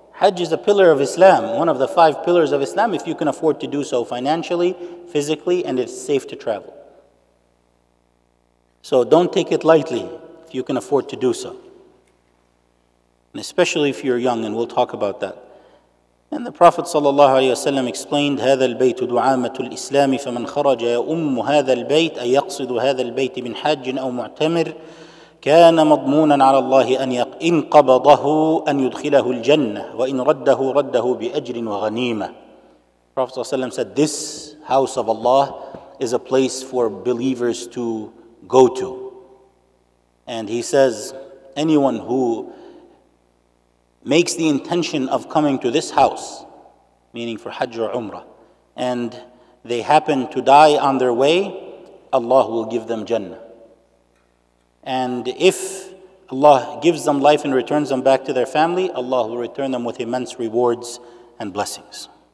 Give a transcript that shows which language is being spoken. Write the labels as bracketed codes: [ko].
[en] Hajj is a pillar of Islam, one of the five pillars of Islam, if you can afford to do so financially, physically, and it's safe to travel. So don't take it lightly if you can afford to do so. And especially if you're young, and we'll talk about that. And the Prophet ﷺ explained, [ar] هَذَا الْبَيْتُ دُعَامَةُ الْإِسْلَامِ فَمَنْ خَرَجَ يَأُمُّ هَذَا الْبَيْتِ أَيَقْصِدُ هَذَا الْبَيْتِ مِنْ حَجٍ أَوْ مُعْتَمِرٍ كَانَ مَضْمُونًا عَلَى اللَّهِ أَنْ إِنْ قَبَضَهُ أَنْ يُدْخِلَهُ الْجَنَّةِ وَإِنْ رَدَّهُ رَدَّهُ بِأَجْرٍ وَغَنِيمَةٍ [en] Prophet ﷺ said, this house of Allah is a place for believers to go to. And he says, anyone who makes the intention of coming to this house, meaning for Hajj or Umrah, and they happen to die on their way, Allah will give them Jannah. And if Allah gives them life and returns them back to their family, Allah will return them with immense rewards and blessings.